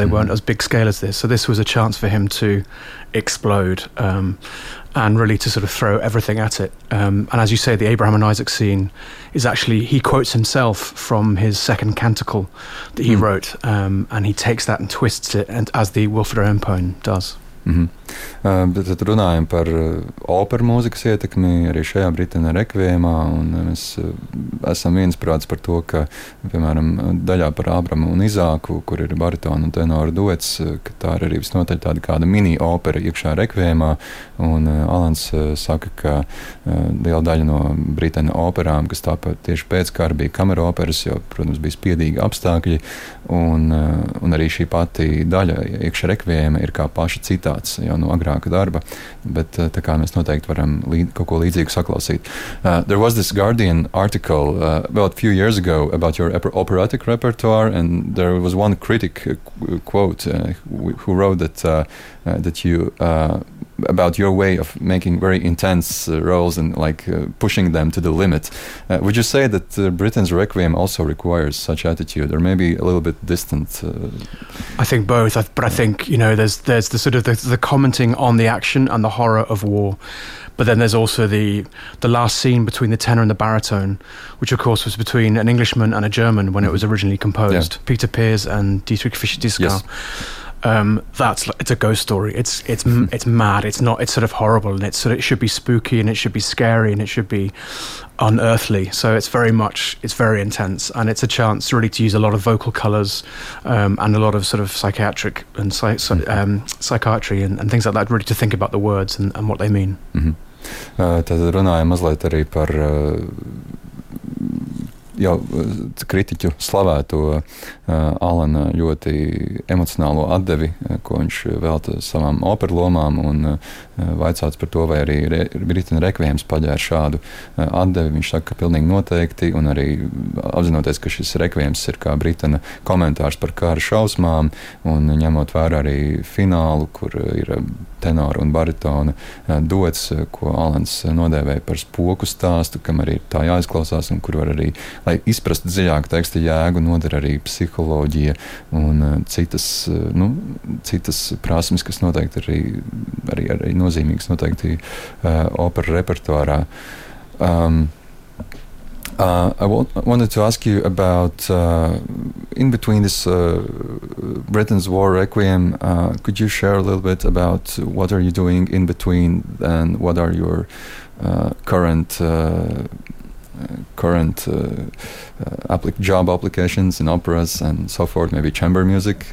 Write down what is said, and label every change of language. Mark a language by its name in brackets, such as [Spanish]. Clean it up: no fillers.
[English] They weren't as big scale as this. So this was a chance for him to explode and really to sort of throw everything at it. And as you say, the Abraham and Isaac scene is actually, he quotes himself from his second canticle that he wrote, and he takes that and twists it, and as the Wilfred Owen poem does. [Latvian] Bet tad runājam par operu mūzikas ietekmi arī šajā Britena Rekvējumā, un mēs esam viensprāts par to, ka, piemēram, daļā par Abramu un Izāku, kur ir baritona un tenora duets, ka tā ir arī visnotaļ tāda kāda mini-opera iekšā Rekvējumā, un Alans saka, ka liela daļa no Britena operām, kas tāpat tieši pēc kara bija kamera operas, jo, protams, bija spiedīgi apstākļi, un arī šī pati daļa iekšā Rekvējuma ir kā paša cita tāds jau no agrāka darba, bet tā kā mēs noteikti varam kaut ko līdzīgu saklausīt. [English] There was this Guardian article about a few years ago about your operatic repertoire, and there was one critic quote who wrote that that you about your way of making very intense roles and like pushing them to the limit. Would you say that Britten's Requiem also requires such attitude, or maybe a little bit distant? I think both, but I think, you know, there's the sort of the commenting on the action and the horror of war, but then there's also the last scene between the tenor and the baritone, which of course was between an Englishman and a German when it was originally composed, Peter Peers and Dietrich Fischer-Dieskau. It's a ghost story. It's mad. It's not. It's sort of horrible, and it's sort of, it should be spooky, and it should be scary, and it should be unearthly. So it's very much. It's very intense, and it's a chance really to use a lot of vocal colors, and a lot of sort of psychiatric and psychiatry and things like that. Really to think about the words and what they mean. [Latvian] Tad runājam mazliet arī par jau kritiķu slavēto Alana ļoti emocionālo atdevi, ko viņš velta savām operu lomām, un vaicāts par to, vai arī Britena Rekvējums paģēra šādu atdevi. Viņš saka, ka pilnīgi noteikti, un arī apzinoties, ka šis Rekvējums ir kā Britena komentārs par kara šausmām, un ņemot vērā arī finālu, kur ir tenora un baritona dots, ko Alans nodēvēja par spoku stāstu, kam arī tā jāizklausās, un kur var arī, lai izprast dziļāku teksta jēgu, noder arī psiholoģija un citas, nu, citas prasmes, kas noteikti arī nozīmīgas noteikti operu repertoārā. [English] I wanted to ask you about in between this Britain's War Requiem, could you share a little bit about what are you doing in between and what are your current job applications in operas and so forth, maybe chamber music?